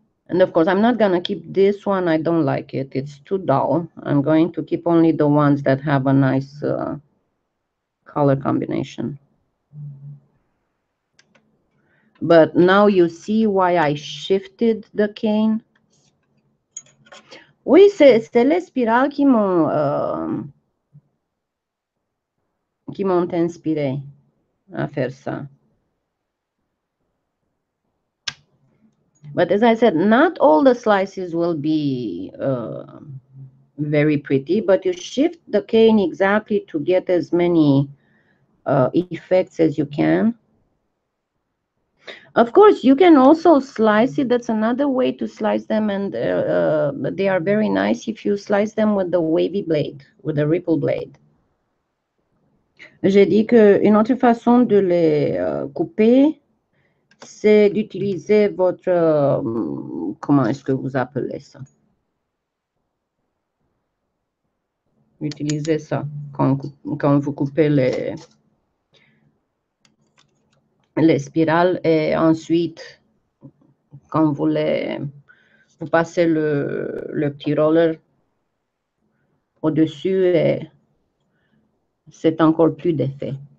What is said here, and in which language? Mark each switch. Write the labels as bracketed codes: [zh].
[en] And of course, I'm not going to keep this one. I don't like it. It's too dull. I'm going to keep only the ones that have a nice color combination. But now you see why I shifted the cane. [fr] Oui, c'est les spirales qui m'ont inspiré à faire ça. [en] But as I said, not all the slices will be very pretty, but you shift the cane exactly to get as many effects as you can. Of course, you can also slice it. That's another way to slice them, and they are very nice if you slice them with the wavy blade, with a ripple blade. [fr] J'ai dit qu'une autre façon de les couper, c'est d'utiliser votre, comment est-ce que vous appelez ça? Utilisez ça quand vous coupez les spirales et ensuite, quand vous passez le petit roller au-dessus et c'est encore plus d'effet.